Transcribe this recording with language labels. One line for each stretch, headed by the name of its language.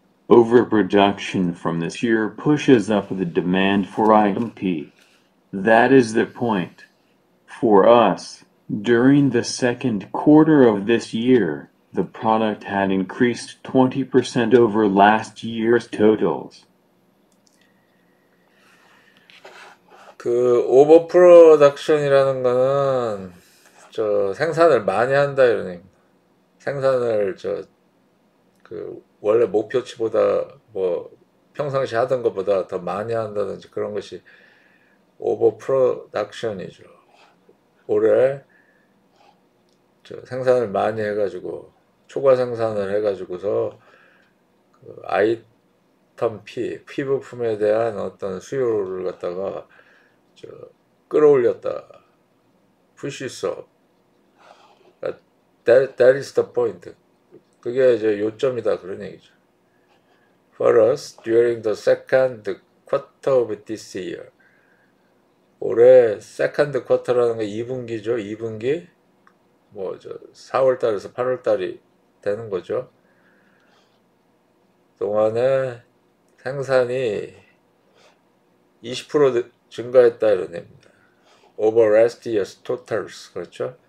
English: Overproduction from this year pushes up the demand for item P. That is the point. For us, during the second quarter of this year, the product had increased 20% over last year's totals.
Korean: 그 오버프로덕션이라는 거는 저 생산을 많이 한다 이러네. 생산을 저 원래 목표치보다 뭐 평상시 하던 것보다 더 많이 한다든지 그런 것이 오버 프로덕션이죠. 올해 생산을 많이 해가지고 초과 생산을 해가지고서 아이 아이템 P, 피 부품에 대한 어떤 수요를 갖다가 끌어올렸다.
English: Push so. That is the point.
Korean: 그게 이제 요점이다 그런 얘기죠.
English: For us, during the second quarter of this year.
Korean: 올해
English: second quarter
Korean: 라는 게 2분기죠. 2분기. 뭐저 4월달에서 8월달이 되는 거죠. 동안에 생산이 20% 증가했다 이런 얘기입니다.
English: Over last year's totals,
Korean: 그렇죠?